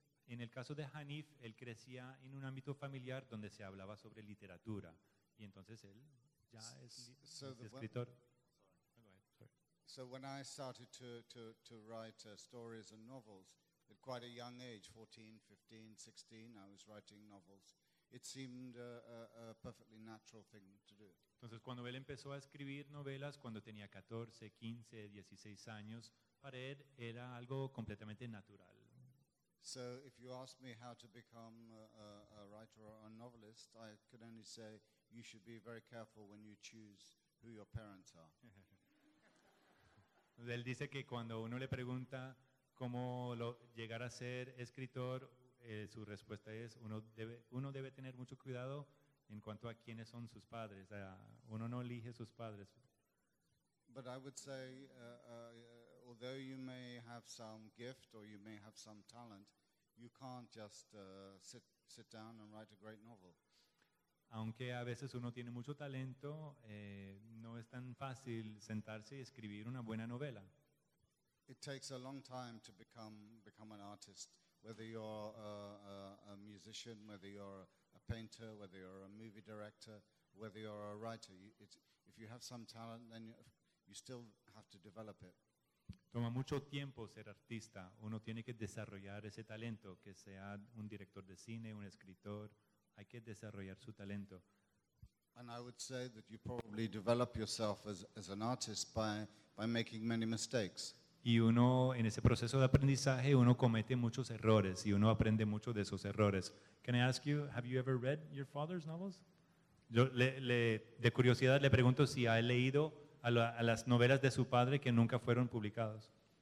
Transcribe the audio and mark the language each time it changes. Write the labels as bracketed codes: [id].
[es] En el caso de Hanif, él crecía en un ámbito familiar donde se hablaba sobre literatura, y entonces él ya es escritor. [en] So when I started to write stories and novels at quite a young age, 14, 15, 16, I was writing novels. It seemed a perfectly natural thing to do. [es] Entonces, cuando él empezó a escribir novelas cuando tenía 14, 15, 16 años, para él era algo completamente natural. [en] So if you ask me how to become a writer or a novelist, I could only say you should be very careful when you choose who your parents are. [es] Él dice que cuando uno le pregunta cómo llegar a ser escritor, su respuesta es uno debe tener mucho cuidado en cuanto a quiénes son sus padres. Uno no elige sus padres. [en] But I would say, although you may have some gift or you may have some talent, you can't just sit down and write a great novel. [es] Aunque a veces uno tiene mucho talento, no es tan fácil sentarse y escribir una buena novela. [en] It takes a long time to become an artist, whether you're a musician, whether you're a painter, whether you're a movie director, whether you're a writer. If you have some talent, then you still have to develop it. [es] Toma mucho tiempo ser artista. Uno tiene que desarrollar ese talento, que sea un director de cine, un escritor. Hay que desarrollar su talento. [en] And I would say that you probably develop yourself as an artist by making many mistakes. [es] Y uno, en ese proceso de aprendizaje, uno comete muchos errores y uno aprende mucho de esos errores. [en] Can I ask you, have you ever read your father's novels? [es] Yo de curiosidad le pregunto si ha leído a las novelas de su padre que nunca fueron publicadas.